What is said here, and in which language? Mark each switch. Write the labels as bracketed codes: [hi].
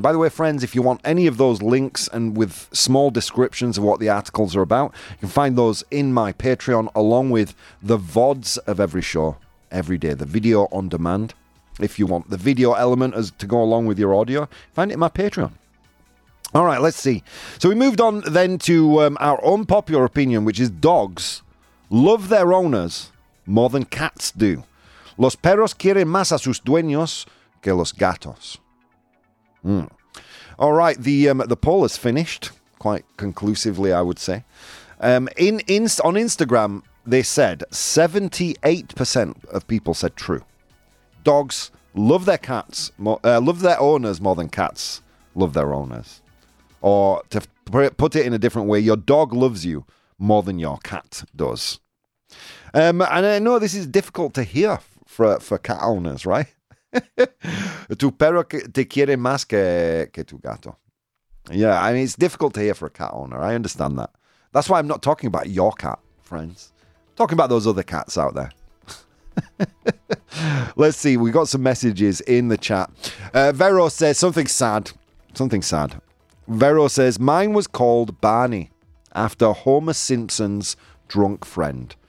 [en] By the way, friends, if you want any of those links and with small descriptions of what the articles are about, you can find those in my Patreon along with the VODs of every show, every day, the video on demand. If you want the video element as to go along with your audio, find it in my Patreon. All right, let's see. So we moved on then to our unpopular opinion, which is dogs love their owners more than cats do. [es] Los perros quieren más a sus dueños que los gatos. Mm. [en] All right, the poll has finished quite conclusively, I would say. On Instagram, they said 78% of people said true. Dogs love their cats, love their owners more than cats love their owners. Or to put it in a different way, your dog loves you more than your cat does. And I know this is difficult to hear for cat owners, right? [es] Tu perro te quiere más que tu gato. [en] Yeah, I mean, it's difficult to hear for a cat owner. I understand that. That's why I'm not talking about your cat, friends. I'm talking about those other cats out there. Let's see. We got some messages in the chat. Vero says something sad. Something sad. Vero says, mine was called Barney after Homer Simpson's drunk friend.